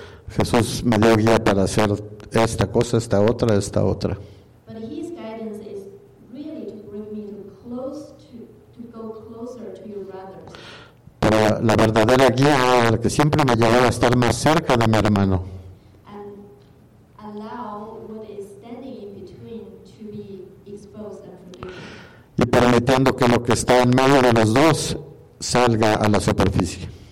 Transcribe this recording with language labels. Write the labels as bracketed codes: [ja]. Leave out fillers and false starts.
[es] Jesús me dio guía para hacer esta cosa, esta otra. [en] But his guidance is really to bring me close to go closer to your brothers. [es] Pero la verdadera guía era la que siempre me llevaba a estar más cerca de mi hermano. [en] And allow what is standing in between to be exposed and forgiven. [es] Y permitiendo que lo que está en medio de los dos salga a la superficie.